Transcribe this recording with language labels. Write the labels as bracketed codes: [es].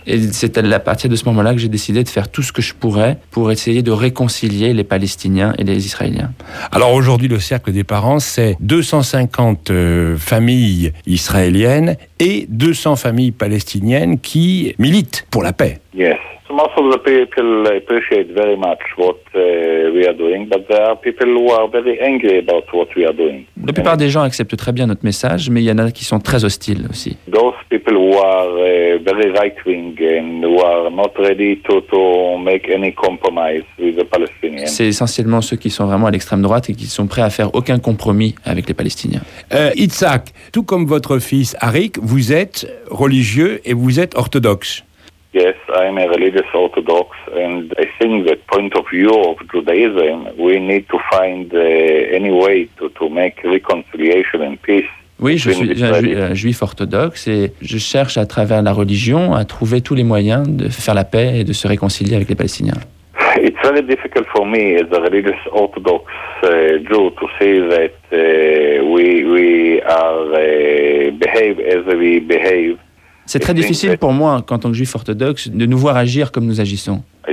[fr] Et c'est à partir de ce moment-là que j'ai décidé de faire tout ce que je pourrais pour essayer de réconcilier les Palestiniens et les Israéliens. Alors aujourd'hui, le cercle des parents, c'est 250 familles israéliennes et 200 familles palestiniennes qui militent pour la paix. Yes. [en] So most of the people appreciate very much what we are doing, but there are people who are very angry about what we are doing. [fr] La plupart des gens acceptent très bien notre message, mais il y en a qui sont très hostiles aussi. [en] Those people who are very right-wing and who are not ready to make any compromise with the Palestinians. [fr] C'est essentiellement ceux qui sont vraiment à l'extrême droite et qui sont prêts à faire aucun compromis avec les Palestiniens. Itzhak, tout comme votre fils Arik, vous êtes religieux et vous êtes orthodoxe. [en] Yes, I am a religious Orthodox, and I think that point of view of Judaism, we need to find any way to make reconciliation and peace. [fr] Oui, je suis un juif orthodoxe et je cherche à travers la religion à trouver tous les moyens de faire la paix et de se réconcilier avec les Palestiniens. [en] It's very difficult for me as a religious Orthodox Jew to say that we behave as we behave. [fr] C'est très difficile pour moi, en tant que juif orthodoxe, de nous voir agir comme nous agissons.